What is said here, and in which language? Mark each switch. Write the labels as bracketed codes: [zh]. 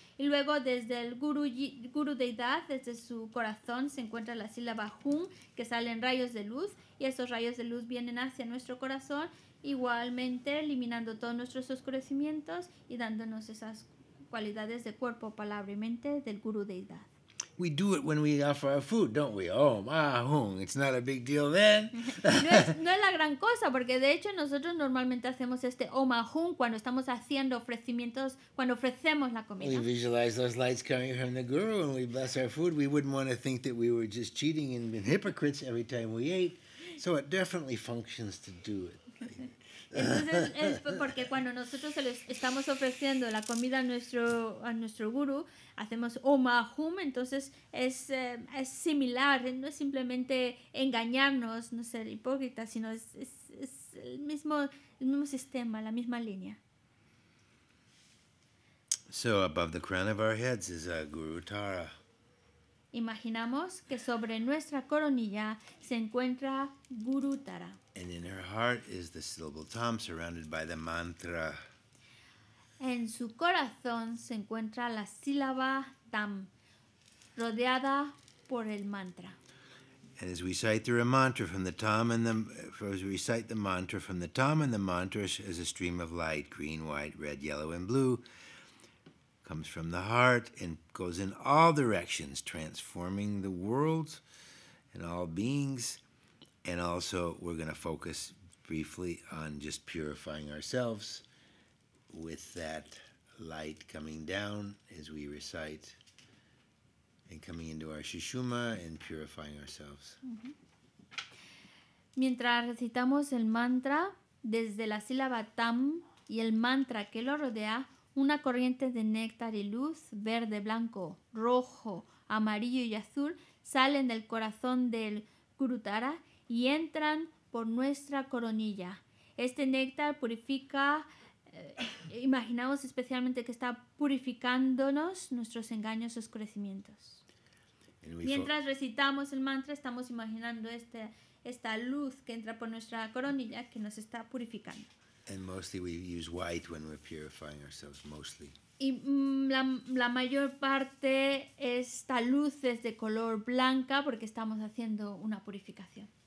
[es] Y luego desde el Guru Deidad, desde su corazón, se encuentra la sílaba Hun, que salen rayos de luz. Y esos rayos de luz vienen hacia nuestro corazón, igualmente eliminando todos nuestros oscurecimientos y dándonos esas cualidades de cuerpo, palabra y mente del Guru Deidad. [en] We do it when we offer our food, don't we? Oh, ah, Hung, it's not a big deal then. [es] No es la gran cosa, porque de hecho nosotros normalmente hacemos este Om Ah Hung cuando estamos haciendo ofrecimientos, cuando ofrecemos la comida. [en] We visualize those lights coming from the Guru and we bless our food. We wouldn't want to think that we were just cheating and being hypocrites every time we ate. So it definitely functions to do it. [es] Entonces es porque cuando nosotros estamos ofreciendo la comida a nuestro guru, hacemos Om Ah Hum, entonces es similar, no es simplemente engañarnos, no ser hipócrita, sino es el mismo sistema, la misma línea. [en] So above the crown of our heads is a Guru Tara. [es] Imaginamos que sobre nuestra coronilla se encuentra Guru Tara. [en] And in her heart is the syllable Tam, surrounded by the mantra. [es] En su corazón se encuentra la sílaba Tam, rodeada por el mantra. [en] And as we recite the mantra from the Tam and the, as we recite the mantra from the Tam and the mantra, as a stream of light, green, white, red, yellow, and blue, comes from the heart and goes in all directions, transforming the world and all beings. And also, we're going to focus briefly on just purifying ourselves with that light coming down as we recite and coming into our shishuma and purifying ourselves. [es] Mientras recitamos el mantra, desde la sílaba Tam y el mantra que lo rodea, una corriente de néctar y luz, verde, blanco, rojo, amarillo y azul, salen del corazón del Guru Tara y entran por nuestra coronilla. Este néctar purifica, imaginamos especialmente que está purificándonos nuestros engaños y oscurecimientos. Mientras recitamos el mantra, estamos imaginando esta luz que entra por nuestra coronilla que nos está purificando. [en] And mostly we use white when we're purifying ourselves, mostly. [es] Y la mayor parte esta luz es de color blanca porque estamos haciendo una purificación.